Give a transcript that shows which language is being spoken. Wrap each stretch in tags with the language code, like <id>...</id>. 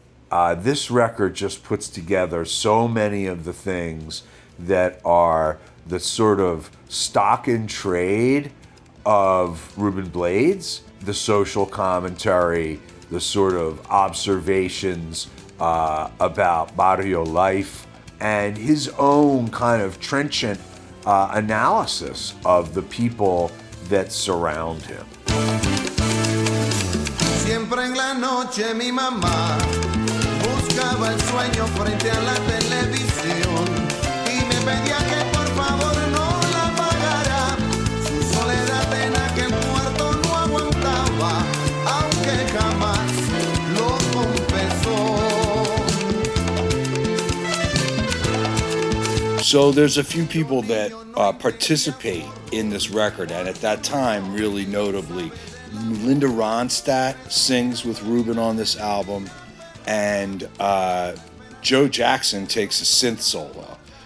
<en>This record just puts together so many of the things that are the sort of stock in trade of Reuben Blades, the social commentary, the sort of observations about barrio life, and his own kind of trenchant analysis of the people that surround him.</en> <es>Siempre en la noche mi mamá buscaba el sueño frente a la televisión y me pedía que por favor no la apagara. Su soledad en aquel cuarto no aguantaba, aunque jamás lo confesó.</es> <en>So there's a few people that participate in this record, and at that time, really notably, Linda Ronstadt sings with Reuben on this album, and Joe Jackson takes a synth solo.</en>